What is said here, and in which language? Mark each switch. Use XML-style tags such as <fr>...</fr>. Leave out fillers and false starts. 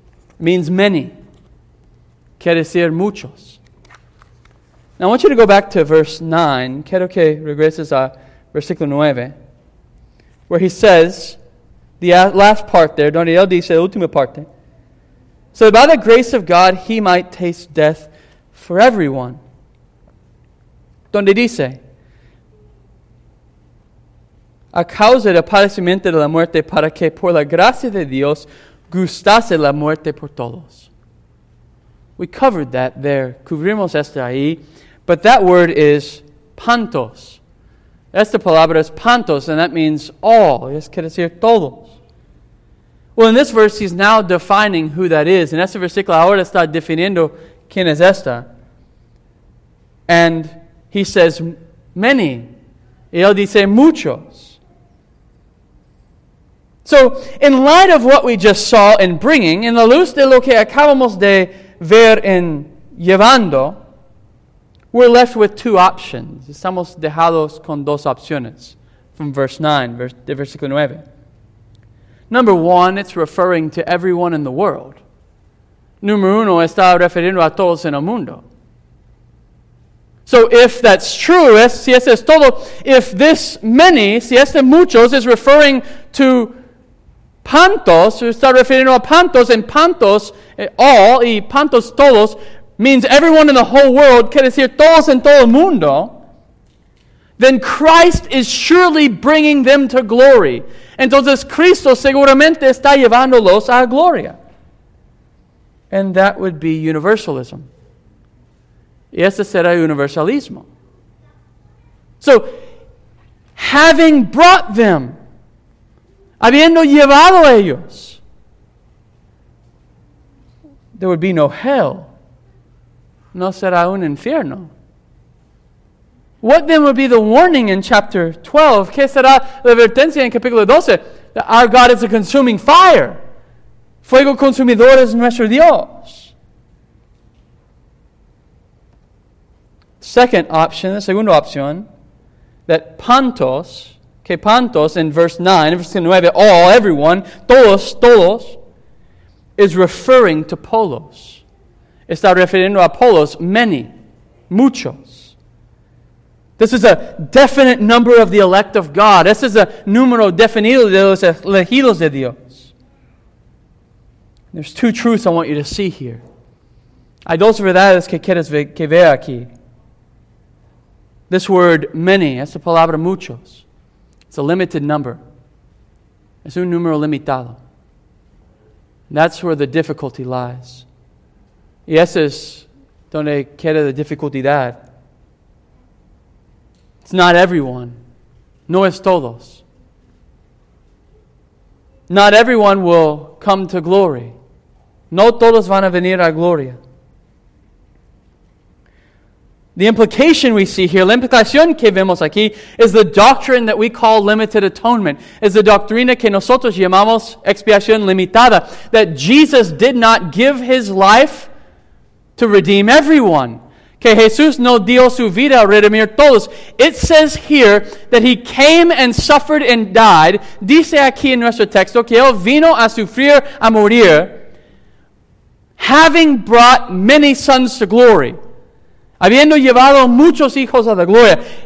<en>It means many.</en> <es>Quiere decir muchos.</es> <en>Now I want you to go back to verse 9.</en> <es>Quiero que regreses a versículo 9.</es> <en>Where he says, the last part there,</en> <es>donde él dice, la última parte.</es> <en>So by the grace of God, he might taste death for everyone.</en> <es>Donde dice, a causa del padecimiento de la muerte, para que por la gracia de Dios gustase la muerte por todos.</es> <en>We covered that there.</en> <es>Cubrimos esto ahí.</es> <en>But that word is pantos.</en> <es>Esta palabra es pantos,</es> <en>and that means all.</en> <es>Es quiere decir todos.</es> <en>Well, in this verse, he's now defining who that is.</en> <es>En este versículo, ahora está definiendo quién es esta.</es> <en>And he says, many.</en> <es>Y él dice, muchos.</es> <en>So, in light of what we just saw in bringing, in</en> <es>la luz de lo que acabamos de ver en llevando,</es> <en>we're left with two options.</en> <es>Estamos dejados con dos opciones</es> <en>from verse 9,</en> <es>versículo 9.</es> <en>Number one, it's referring to everyone in the world.</en> <es>Número uno, está refiriendo a todos en el mundo.</es> <en>So if that's true,</en> <es>si ese es todo,</es> <en>if this many,</en> <es>si este muchos,</es> <en>is referring to pantos,</en> <es>está refiriendo a pantos,</es> <en>and pantos, all,</en> <es>y pantos todos,</es> <en>means everyone in the whole world,</en> <es>quiere decir todos en todo el mundo,</es> <en>then Christ is surely bringing them to glory.</en> <es>Entonces, Cristo seguramente está llevándolos a gloria.</es> <en>And that would be universalism.</en> <es>Y ese será universalismo.</es> <en>So, having brought them,</en> <es>habiendo llevado ellos,</es> <en>there would be no hell.</en> <es>No será un infierno.</es> <en>What then would be the warning in chapter 12?</en> <es>¿Qué será la advertencia en capítulo 12?</es> <en>That our God is a consuming fire.</en> <es>Fuego consumidor es nuestro Dios.</es> <en>Second option,</en> <es>la segunda opción,</es> <en>that pantos,</en> <es>que pantos</es> <en>in verse 9, verse 9, all, everyone,</en> <es>todos, todos,</es> <en>is referring to polos.</en> <es>Está refiriendo a polos, many, muchos.</es> <en>This is a definite number of the elect of God. This is a</en> <es>número definido de los elegidos de Dios.</es> <en>There's two truths I want you to see here.</en> <es>Hay dos verdades que quieres que vea aquí.</es> <en>This word, many,</en> <es>es la palabra muchos.</es> <en>It's a limited number.</en> <es>Es un número limitado.</es> <en>That's where the difficulty lies.</en> <es>Y eso es donde queda la dificultad.</es> <en>It's not everyone.</en> <es>No es todos.</es> <en>Not everyone will come to glory.</en> <es>No todos van a venir a gloria.</es> <en>The implication we see here,</en> <es>la implicación que vemos aquí,</es> <en>is the doctrine that we call limited atonement. Is the</en> <es>doctrina que nosotros llamamos expiación limitada.</es> <en>That Jesus did not give His life to redeem everyone.</en> <es>Que Jesús no dio su vida a redimir todos.</es> <en>It says here that He came and suffered and died.</en> <es>Dice aquí en nuestro texto que Él vino a sufrir, a morir,</es> <en>having brought many sons to glory.</en> <es>Habiendo llevado muchos hijos a la gloria.</es>